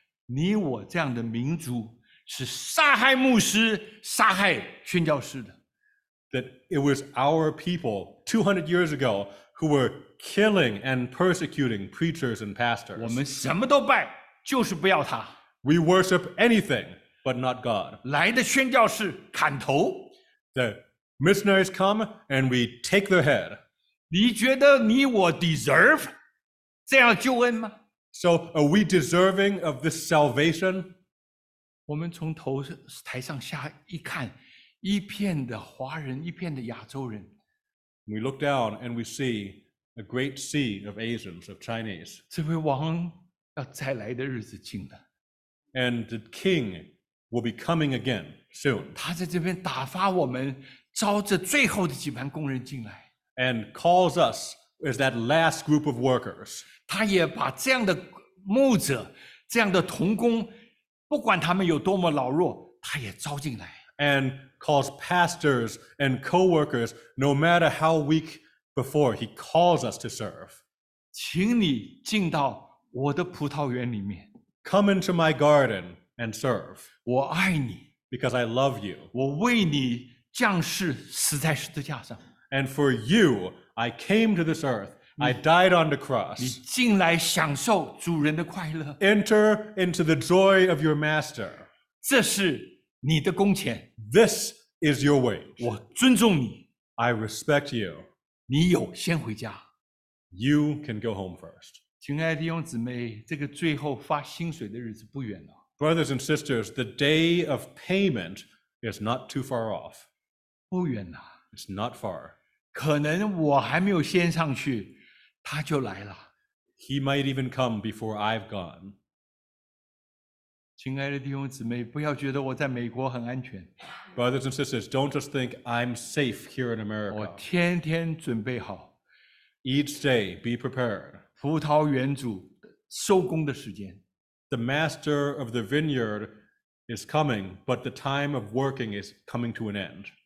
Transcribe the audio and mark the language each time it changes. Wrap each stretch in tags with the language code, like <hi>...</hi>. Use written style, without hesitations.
<zh>你我这样的民族是杀害牧师、杀害宣教士的。</zh> <en>That it was our people 200 years ago who were killing and persecuting preachers and pastors.</en> <zh>我们什么都拜，就是不要他。</zh> <en>We worship anything but not God.</en> <zh>来的宣教士砍头。</zh> <en>The missionaries come and we take their head.</en> <zh>你觉得你我 deserve 这样救恩吗？</zh> <en>So are we deserving of this salvation?</en> <zh>我们从头台上下一看。一片的华人，一片的亚洲人。</zh> <en>We look down and we see a great sea of Asians, of Chinese.</en> <zh>这位王要再来的日子近了。</zh> <en>And the king will be coming again soon.</en> <zh>他在这边打发我们，招这最后的几班工人进来。</zh> <en>And calls us as that last group of workers.</en> <zh>他也把这样的牧者，这样的童工，不管他们有多么老弱，他也招进来。</zh> <en>And calls pastors and co-workers, no matter how weak before, he calls us to serve.</en> <zh>请你进到我的葡萄园里面。</zh> <en>Come into my garden and serve.</en> <zh>我爱你。</zh> <en>Because I love you.</en> <zh>我为你降世死在十字架上。</zh> <en>And for you, I came to this earth. I died on the cross.</en> <zh>你进来享受主人的快乐。</zh> <en>Enter into the joy of your master.</en> <zh>这是你的工钱。</zh> <en>This is your wage.</en> <zh>我尊重你。</zh> <en>I respect you.</en> <zh>你有先回家。</zh> <en>You can go home first.</en> <zh>亲爱的弟兄姊妹，这个最后发薪水的日子不远了。</zh> <en>Brothers and sisters, the day of payment is not too far off.</en> <zh>不远了。</zh> <en>It's not far.</en> <zh>可能我还没有先上去，他就来了。</zh> <en>He might even come before I've gone.</en> <zh>亲爱的弟兄姊妹，不要觉得我在美国很安全。</zh> <en>Brothers and sisters, don't just think I'm safe here in America.</en> <zh>我天天准备好。</zh> <en>Each day, be prepared.</en> <zh>葡萄园主收工的时间。</zh> <en>The master of the vineyard is coming, but the time of working is coming to an end.</en>